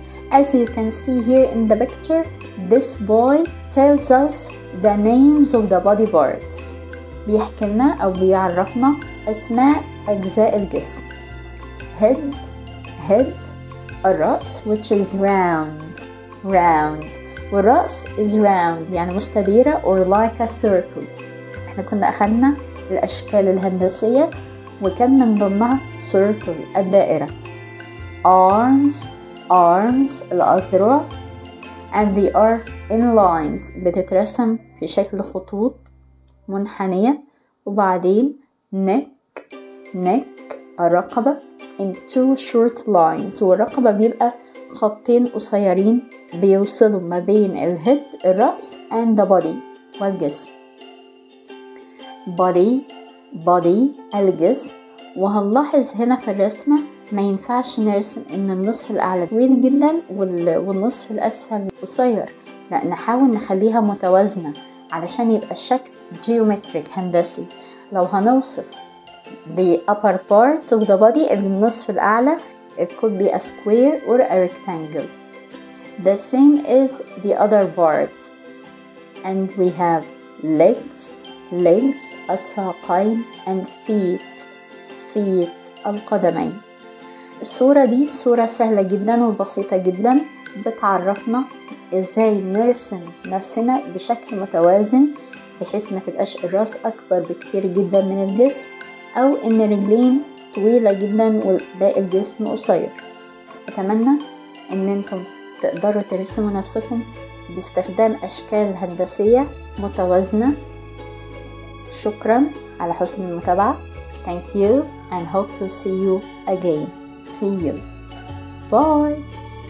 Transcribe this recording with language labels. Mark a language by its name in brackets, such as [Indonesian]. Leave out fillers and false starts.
[English] As you can see here in the picture this boy tells us the names of the body parts، [Arabic] بيحكي لنا او بيعرفنا اسماء اجزاء الجسم. [English] head الرأس which is round والرأس is round [Arabic] يعني مستديرة [English] or like a circle. [Arabic] احنا كنا اخذنا الاشكال الهندسية وكان من ضمنها circle الدائرة. [English] arms الاذرع and they are in lines [Arabic] بتترسم في شكل خطوط منحنية. وبعدين neck الرقبة [English] in two short lines [Arabic] والرقبة بيبقى خطين قصيرين بيوصلوا ما بين الهيد الرأس [English] and the body [Arabic] والجسم. body الجسم. وهنلاحظ هنا في الرسمة ما ينفعش نرسم ان النصف الاعلى طويل جدا والنصف الاسفل قصير، لا نحاول نخليها متوازنة علشان يبقى الشكل geometric هندسي. لو هنوصف [English] the upper part of the body النصف الأعلى it could be a square or a rectangle. The same is the other part and we have legs الساقين and feet القدمين. [Arabic] الصورة دي صورة سهلة جدا وبسيطة جدا بتعرفنا ازاي نرسم نفسنا بشكل متوازن بحيث ما تبقاش الراس أكبر بكتير جدا من الجسم أو إن رجلين طويلة جداً والباقي الجسم قصير. أتمنى إن أنتم تقدروا ترسموا نفسكم باستخدام أشكال هندسية متوازنة. شكراً على حسن المتابعة. [English] Thank you and hope to see you again. See you. Bye.